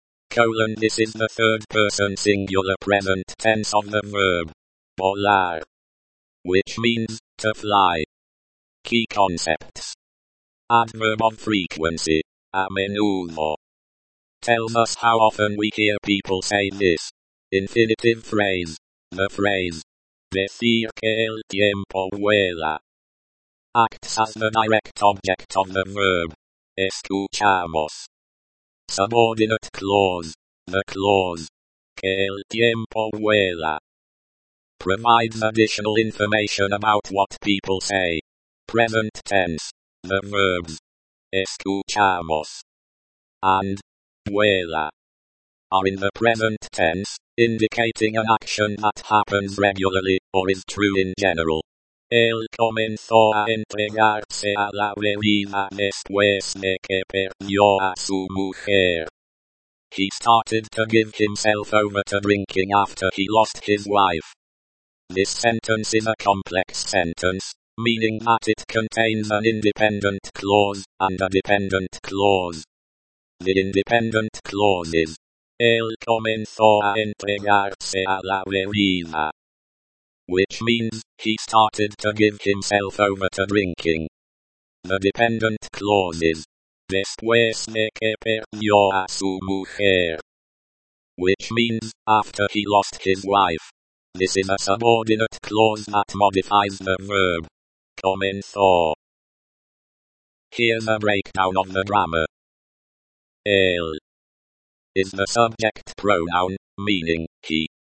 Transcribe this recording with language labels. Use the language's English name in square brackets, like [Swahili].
[English] Colon, this is the third person singular present tense of the verb volar, which means to fly. Key concepts. Adverb of frequency, [Spanish] a menudo, [English] tells us how often we hear people say this. Infinitive phrase. The phrase. [Spanish] Decir que el tiempo vuela. [English] Acts as the direct object of the verb. [Spanish] Escuchamos. [English] Subordinate clause. The clause. [Spanish] Que el tiempo vuela. [English] Provides additional information about what people say. Present tense. The verbs. [Spanish] Escuchamos. [English] And. [Spanish] Vuela. [English] Are in the present tense, indicating an action that happens regularly, or is true in general. [Spanish] Él comenzó a entregarse a la bebida después de que perdió a su mujer. [English] He started to give himself over to drinking after he lost his wife. This sentence is a complex sentence, meaning that it contains an independent clause and a dependent clause. The independent clause is [Spanish] Él comenzó a entregarse a la bebida. [English] Which means, he started to give himself over to drinking. The dependent clause is [Spanish] Después de que perdió a su mujer. [English] Which means, after he lost his wife. This is a subordinate clause that modifies the verb [Spanish] Comenzó. [English] Here's a breakdown of the grammar. [Spanish] Él [English] is the subject pronoun, meaning he.